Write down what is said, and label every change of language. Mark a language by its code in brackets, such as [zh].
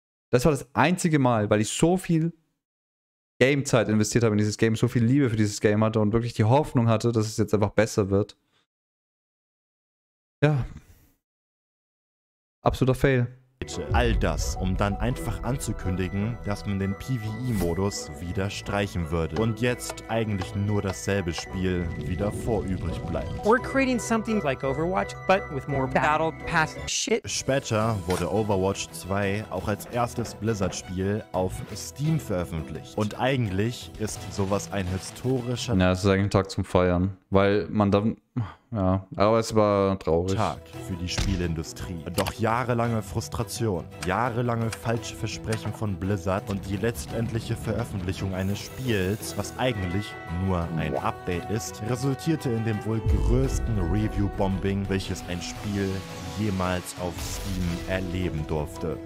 [de] Das war das einzige Mal, weil ich so viel Gamezeit investiert habe in dieses Game, so viel Liebe für dieses Game hatte und wirklich die Hoffnung hatte, dass es jetzt einfach besser wird. Ja. Absoluter Fail. All das, um dann einfach anzukündigen, dass man den PvE-Modus wieder streichen würde. Und jetzt eigentlich nur dasselbe Spiel wieder vorübrig bleibt. [en] We're creating something like Overwatch, but with more battle pass shit. [de] Später wurde Overwatch 2 auch als erstes Blizzard-Spiel auf Steam veröffentlicht. Und eigentlich ist sowas ein historischer... Ja, es ist eigentlich ein Tag zum Feiern, weil man dann... Ja, aber es war traurig. Tag für die Spielindustrie. Doch jahrelange Frustration, jahrelange falsche Versprechen von Blizzard und die letztendliche Veröffentlichung eines Spiels, was eigentlich nur ein Update ist, resultierte in dem wohl größten Review-Bombing, welches ein Spiel jemals auf Steam erleben durfte.